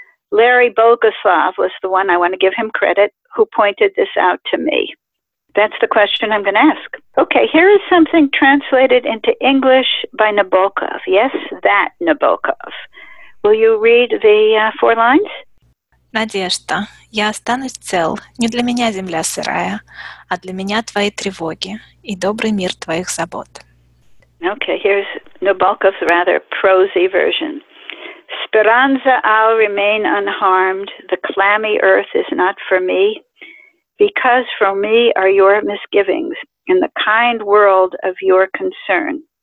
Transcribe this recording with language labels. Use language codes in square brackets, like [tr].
[en] Larry Bogoslav was the one, I want to give him credit, who pointed this out to me. That's the question I'm going to ask. Okay, here is something translated into English by Nabokov. Yes, that Nabokov. Will you read the four lines? [ru] Надежда, я останусь цел. Не для меня земля сырая, а для меня твои тревоги и добрый мир твоих забот. [en] Okay, here's Nabokov's rather prosy version. Speranza, I'll remain unharmed. The clammy earth is not for me, because for me are your misgivings and the kind world of your concern.